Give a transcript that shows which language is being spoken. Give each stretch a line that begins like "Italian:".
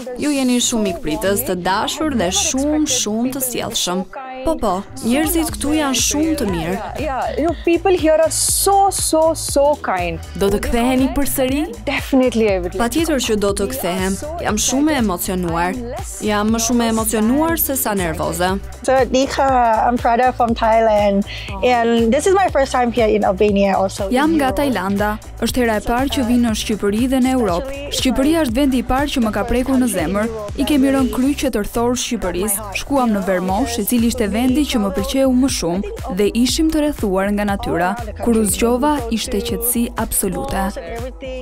Albanian: Ju jeni shumë mikpritës, të dashur dhe shumë të sjellshëm. Po, njerëzit këtu janë shumë të mirë.
English: People here are so kind.
Albanian: Do të ktheheni përsëri?
English: Definitely.
Albanian: Patjetër që do të kthehem. Jam shumë e emocionuar. Jam më shumë e emocionuar se sa nervoze.
English: So, Nika, I'm Prada from Thailand and this is my first time here in Albania also.
Albanian: Jam nga Tajlanda. Është hera e parë që vinë në Shqipëri dhe në Europë. Shqipëria është vendi i parë që më ka prekur në zemër. I kemi rënë kryqet rrethor Shqipërisë. Shkuam në Vermosh, i cili ishte vendi që më pëlqeu më shumë dhe ishim të rrethuar nga natyra. Kur u zgjova, ishte qetësi absolute.